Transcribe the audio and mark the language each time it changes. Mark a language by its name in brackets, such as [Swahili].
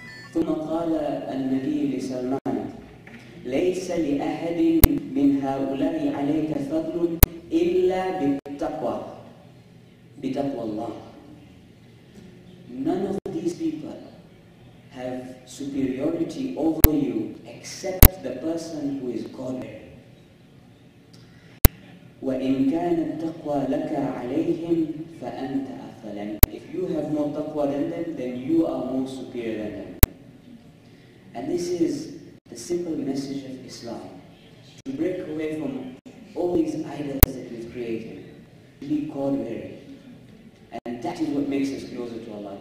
[Arabic] ثُمَّ قَالَ النَّبِيُّ لِسَلْمَانَ لَيْسَ لِأَحَدٍ مِنْ هَؤُلَاءِ عَلَيْكَ فَضْلٌ إِلَّا بِتَقْوَى اللَّهِ. [English] None of these people have superiority over you except the person who is God. [Arabic] وإن كان التقوى لك عليهم فأنت أفضل. [English] If you have more taqwa than them, then you are more superior than them. And this is the simple message of Islam. To break away from all these idols that we've created. To be God weary. And that is what makes us closer to Allah.